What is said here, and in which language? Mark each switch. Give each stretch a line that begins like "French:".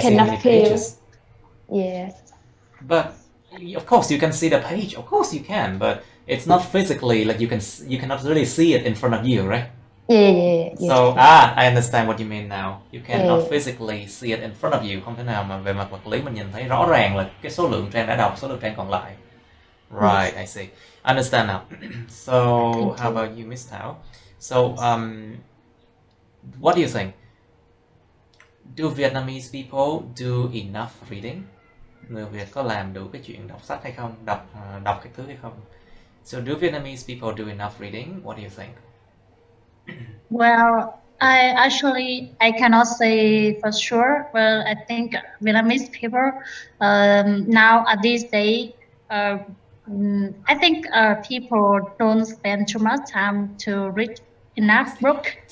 English: cannot see how many pages. Feel. Yes. But of course you can see the page. Of course you can, but. It's not physically like you cannot really see it in front of you, right? Yeah. I understand what you mean now. You cannot physically see it in front of you.
Vietnamese: Không thể nào mà về mặt vật lý mình nhìn thấy rõ ràng là cái số lượng trang đã đọc, số lượng trang còn lại.
English: Right, I see. Understand now. So, thank how you. About you, Miss Tao? So, what do you think? Do Vietnamese people do enough reading?
Vietnamese: người Việt có làm đủ cái chuyện đọc sách hay không, đọc đọc cái thứ hay không.
English: So do Vietnamese people do enough reading? What do you think? Well, I actually I cannot say for sure, but I think Vietnamese people now at this day, I think people don't spend too much time to read enough book.